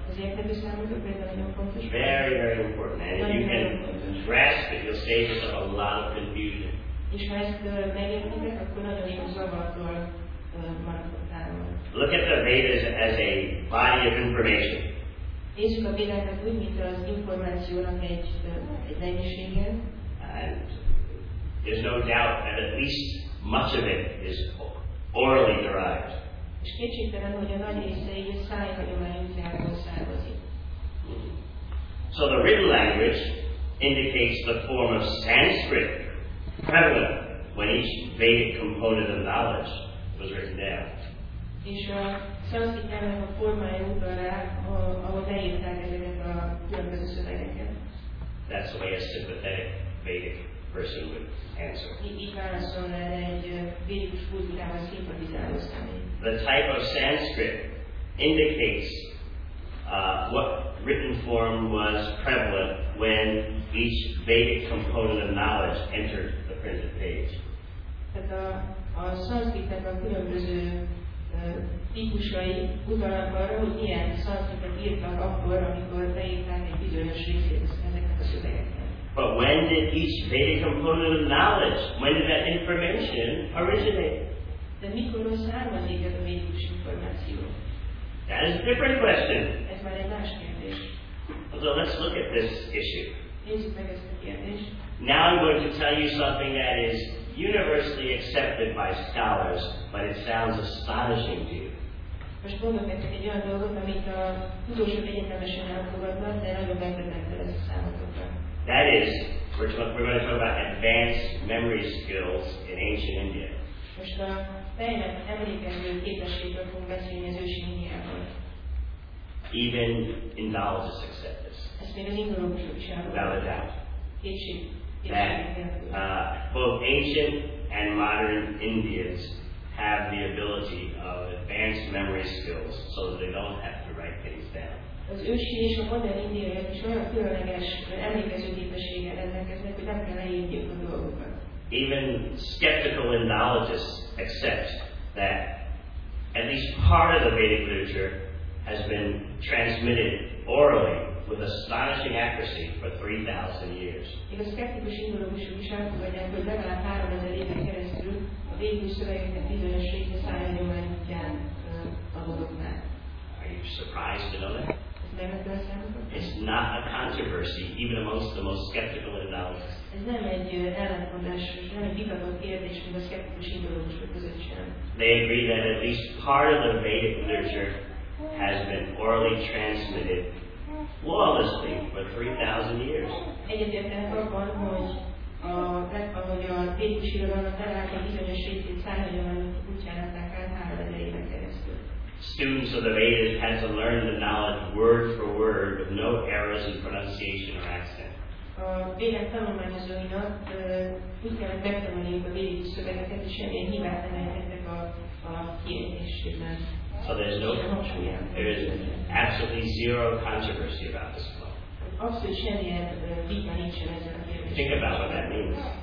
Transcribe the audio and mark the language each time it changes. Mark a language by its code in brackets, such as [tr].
[en] Very, very important. And if you can grasp it, you'll save yourself a lot of confusion. Look at the Vedas as a body of information. [hu] Nézzük a Védákat úgy, mint az információnak egy mennyisége. [en] And there's no doubt that at least much of it is orally derived. [hu] És kétségtelen, hogy a nagy része egy szájhagyományból származik. [en] So the written language indicates the form of Sanskrit prevalent when each Vedic component of knowledge was written down. [hu] És a szanszkrit nyelvnek a formája utal rá, ahol leírták ezeket a különböző szövegeket. [en] That's the way a sympathetic Vedic person would answer. [hu] Így válaszol erre egy védikus kultúrával szimpatizáló személy. [en] The type of Sanskrit indicates what written form was prevalent when each Vedic component of knowledge entered the printed page. [hu] Tehát a szanszkritnek a különböző típusai utalnak arra, hogy milyen szavakat írtak akkor, amikor beírták egy bizonyos részét ezeknek a szövegeknek. [en] But when did each Veda component of knowledge, when did that information originate? [hu] De mikor származik ez a védikus információ? [en] That is a different question. [hu] Ez már egy más kérdés. [en] So let's look at this issue. [hu] Nézzük meg ezt a kérdést. [en] Now I'm going to tell you something that is universally accepted by scholars, but it sounds astonishing to you. [hu] Most mondok nektek egy olyan dolgot, amit a tudósok egyetemesen elfogadnak, de nagyon megdöbbentő lesz a számotokra. [en] That is, we're going to talk about advanced memory skills in ancient India. [hu] Most a fejlett emlékező képességről fogunk beszélni az ősi Indiában. [en] Even Indologists accept this. [hu] Ezt még az indológusok is elfogadják. [en] Without a doubt. [hu] Kétség. [en] Both ancient and modern Indians have the ability of advanced memory skills so that they don't have to write things down. [hu] Az ősi és a modern indiaiak is olyan különleges emlékező képességgel rendelkeznek, hogy nem kell leírniuk a dolgokat. [en] Even skeptical Indologists accept that at least part of the Vedic literature has been transmitted orally with astonishing accuracy for 3,000 years. [hu] Még a szkeptikus indológusok is elfogadják, hogy legalább 3000 éven keresztül a védikus szövegeknek bizonyos része szájhagyományútján adódott meg. [en] Are you surprised to know that? [hu] Ez meglepő a számokat? [en] It's not a controversy, even amongst the most skeptical indologists. [hu] Ez nem egy ellentmondás, nem egy vitatott kérdés, mint a szkeptikus indológusok között sem. [en] They agree that at least part of the Vedic literature has been orally transmitted flawlessly for 3,000 years. [hu] Egyetértenek abban, hogy a védikus irodalmat elállt egy bizonyos részét szájhagyományok útján adták át 3000 éven keresztül. [en] Students of the Vedas had to learn the knowledge word for word with no errors in pronunciation or accent. [hu] A védek tanulmányozóinak úgy kellett megtanulniuk a védikus szövegeket, és semmilyen hibát nem ejtettek a kiejtésében. [en] So there's no controversy. There is absolutely zero controversy about this flow. Think about what that means.